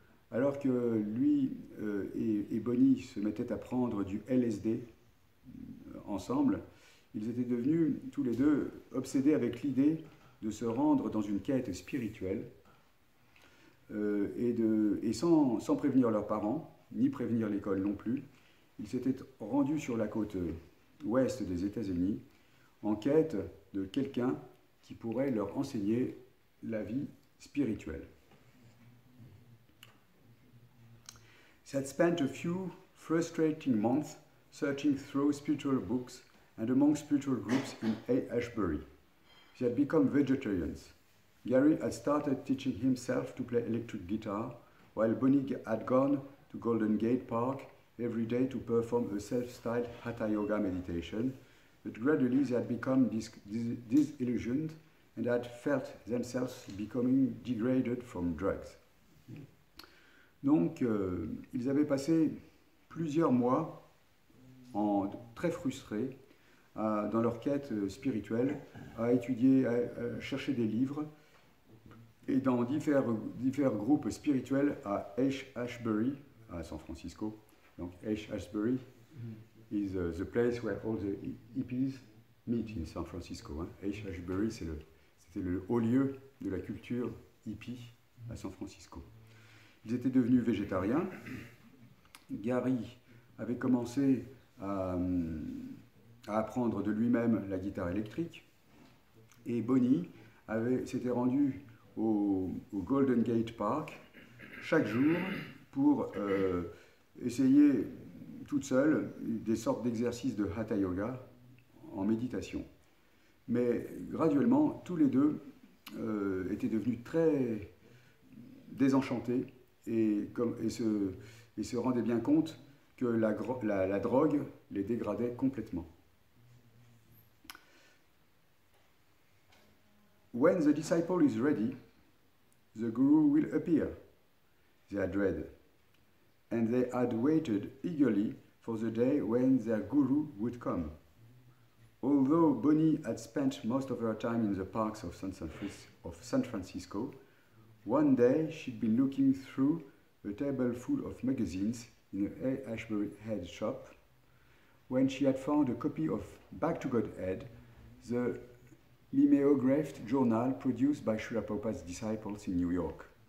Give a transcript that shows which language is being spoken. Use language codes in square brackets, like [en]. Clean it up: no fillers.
[fr] Alors que lui et Bonnie se mettaient à prendre du LSD ensemble, ils étaient devenus tous les deux obsédés avec l'idée de se rendre dans une quête spirituelle et sans prévenir leurs parents, ni prévenir l'école non plus, ils s'étaient rendus sur la côte ouest des États-Unis, en quête de quelqu'un qui pourrait leur enseigner la vie spirituelle. [en] They had spent a few frustrating months searching through spiritual books and among spiritual groups in Ashbury. They had become vegetarians. Gary had started teaching himself to play electric guitar, while Bonnie had gone to Golden Gate Park every day to perform a self-styled Hatha Yoga meditation, but gradually they had become disillusioned and had felt themselves becoming degraded from drugs. [fr] Donc, ils avaient passé plusieurs mois très frustrés dans leur quête spirituelle, à étudier, à chercher des livres, et dans divers groupes spirituels à Ashbury, à San Francisco. [en] Donc Ashbury is the place where all the hippies meet in San Francisco. [fr] Ashbury, c'était le haut lieu de la culture hippie à San Francisco. Ils étaient devenus végétariens. Gary avait commencé à apprendre de lui-même la guitare électrique. Et Bonnie s'était rendu au Golden Gate Park chaque jour pour essayer toute seule des sortes d'exercices de Hatha Yoga en méditation. Mais graduellement, tous les deux étaient devenus très désenchantés et se rendaient bien compte que la drogue les dégradait complètement. [en] When the disciple is ready, the guru will appear, they had read, and they had waited eagerly for the day when their guru would come. Although Bonnie had spent most of her time in the parks of San Francisco, one day she'd been looking through a table full of magazines in a Ashbury Head shop when she had found a copy of Back to Godhead, the mimeographed journal produced by Srila Prabhupada's disciples in New York.